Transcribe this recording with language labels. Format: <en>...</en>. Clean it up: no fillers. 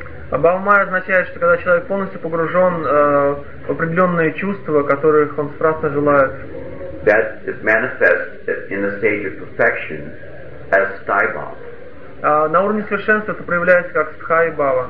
<ru>Бхавамая означает, что когда человек полностью погружен в определенные чувства, которых он страстно желает.</ru> <en>That is manifest in the stage of perfection as sthaibhava.</en> <ru>На уровне совершенства это проявляется как sthaibhava.</ru>